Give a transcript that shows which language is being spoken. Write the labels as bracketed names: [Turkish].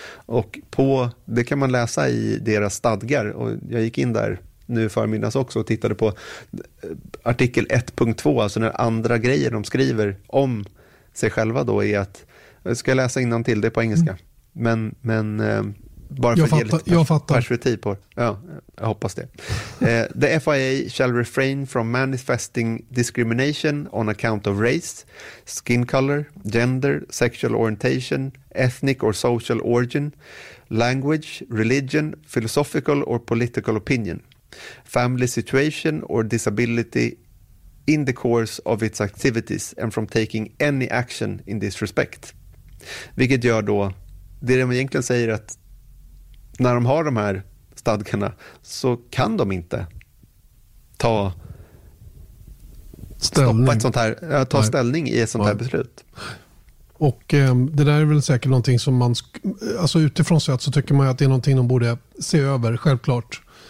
[Swedish] Och det kan man läsa i deras stadgar, och jag gick in där nu förmiddags också och tittade på artikel 1.2, alltså den andra grejen de skriver om sig själva då, är att, ska jag läsa innan till det på engelska, men bara för jag fattar. Perspektiv på, ja, jag hoppas det. [English] The FIA shall refrain from manifesting discrimination on account of race, skin color, gender, sexual orientation, ethnic or social origin, language, religion, philosophical or political opinion, family situation or disability in the course of its activities and from taking any action in this respect. [Swedish] Vilket gör då, det de egentligen säger att när de har de här stadgarna så kan de inte ta ställning. Stoppa ett sånt här, ta Nej. Ställning i ett sånt Nej. Här beslut. Och det där är väl säkert någonting som man, alltså utifrån sett så tycker man att det är någonting de borde se över, självklart.